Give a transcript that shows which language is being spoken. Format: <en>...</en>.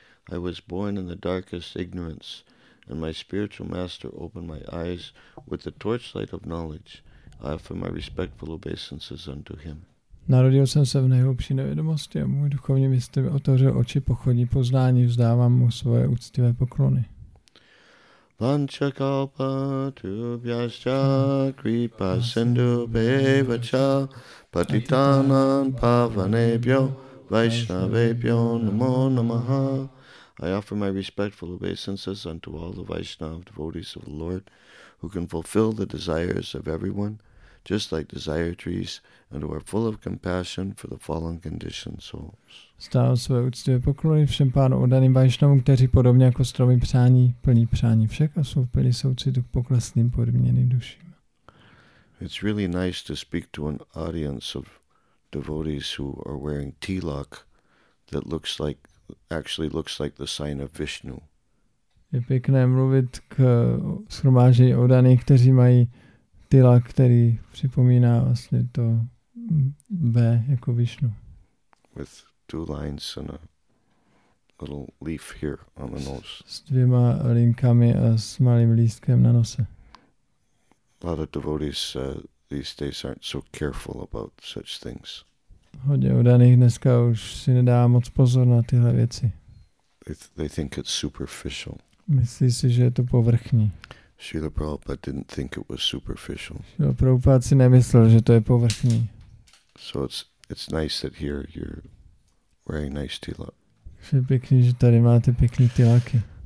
<en>I was born in the darkest ignorance, and my spiritual master opened my eyes with the torchlight of knowledge. I offer my respectful obeisances unto him.</en> <cs>Narodil jsem se v nejhlubší nevědomosti a můj duchovní mistr otevřel oči pochodí poznání, vzdávám mu svoje úctivé poklony.</cs> <sa>Vancha kalpa tubhyascha kripa sindhu bhavacha patitanan pavanebhyo vaishnavebhyo namo namaha.</sa> <en>I offer my respectful obeisances unto all the Vaishnava devotees of the Lord who can fulfill the desires of everyone, just like desire trees, and who are full of compassion for the fallen conditioned souls.</en> <cs>Stál své úctivé poklony všem pánům oddaným Vaishnavům, kteří podobně jako stromy přání, plní přání všech a jsou plní soucitu k poklesným podmíněným duším.</cs> <en>It's really nice to speak to an audience of devotees who are wearing tilak that looks like, actually looks like the sign of Vishnu.</en> <cs>Je pěkné mluvit k shromáždění oddaných, kteří mají tilak, který připomíná vlastně to V jako Vishnu.</cs> <en>With two lines and a little leaf here on the nose.</en> <cs>S dvěma linkami a s malým lístkem na nose.</cs> <en>A lot of devotees these days aren't so careful about such things.</en> <cs>Hodně oddaných dneska už si nedá moc pozor na tyhle věci.</cs> <en>They think it's superficial.</en> <cs>Myslí si, že je to povrchní.</cs> <en>Srila Prabhupada didn't think it was superficial.</en> <cs>Srila Prabhupada si nemyslel, že to je povrchní.</cs> <en>So it's nice that here you're wearing nice tilak.</en> <cs>Je pěkný, že tady máte pěkný tilaky.</cs>